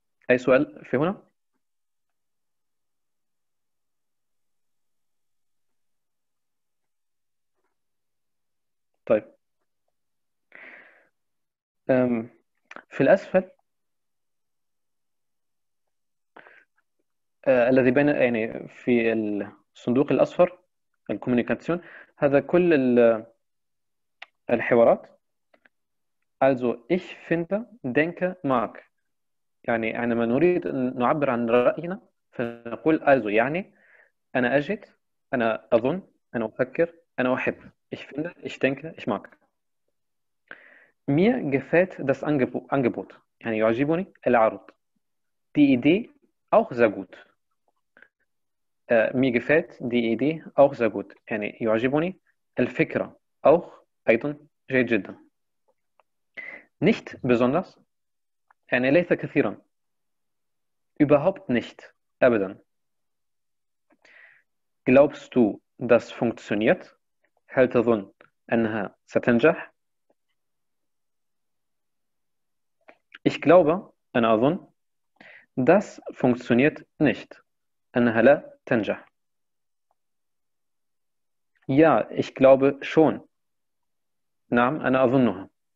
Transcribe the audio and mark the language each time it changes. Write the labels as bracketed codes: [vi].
[ar] أي سؤال في هنا؟ طيب في الأسفل الذي بين يعني في الصندوق الأصفر الكوميونيكاسيون هذا كل الحوارات. [de] also ich finde denke mag [ar] يعني عندما نريد نعبر عن رأينا فنقول also يعني أنا أجد أنا أظن أنا أفكر أنا أحب [de] ich finde ich denke ich mag. Mir gefällt das Angebot. [ar] يعني يعجبني العرض. [de] Die Idee auch sehr gut. Mir gefällt die Idee auch sehr gut. [ar] يعني يعجبني الفكرة auch أيضا جيد جدا. [de] Nicht besonders. [ar] يعني ليس كثيرا. [de] Überhaupt nicht. أبدا. Glaubst du, das funktioniert? [ar] هل تظن أنها ستنجح؟ [de] Ich glaube, [ar] أنا أظن, [de] das funktioniert nicht. [ar] أنها لا تنجح. [de] Ja, ich glaube schon. [ar] نعم, أنا أظنها.